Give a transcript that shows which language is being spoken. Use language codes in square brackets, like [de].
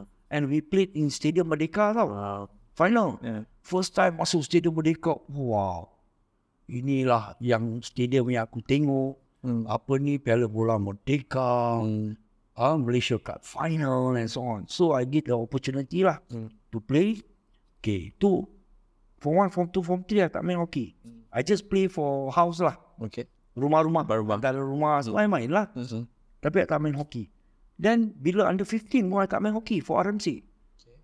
[en] And we played in Stadium Merdeka tau. Final. First time masuk Stadium Merdeka. Wow. [ms] Inilah yang stadium yang aku tengok. Apa ni, Piala Bola Merdeka. [en] Malaysia Cup final and so on. So I get the opportunity lah to play. [ms] Okay, tu form 1, form 2, form 3 I tak main hoki. [en] I just play for house lah. Okay. [ms] Rumah-rumah. Baru-baru. Dalam rumah so I main lah. Tapi I tak main hoki. Then bila [en] under 15 [ms] pun I tak main hoki for RMC. Okay.